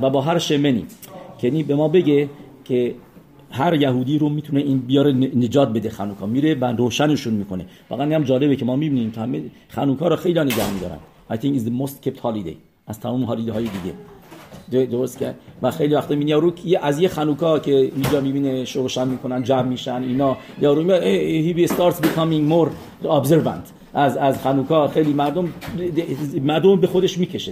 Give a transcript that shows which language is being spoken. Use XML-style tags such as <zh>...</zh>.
<fa>و با هر شمنی که به ما بگه که هر یهودی رو میتونه این بیاره نجات بده خانوکا، میره و روشنشون میکنه. واقعا هم جالبه که ما میبینیم همه خانوکا رو خیلی نگه میدارن.</fa> <en>I think is the most kept holiday</en> <fa>از تمام هالیده های دیگه. درست که ما خیلی وقتا میبینیم یارو از یه خانوکا که اینجا میبینه شروع شن میکنن جمع میشن اینا، یارو میگه</fa> <en>he starts becoming more observant</en> <fa>از خنوکا خیلی مردم به خودش میکشه.</fa>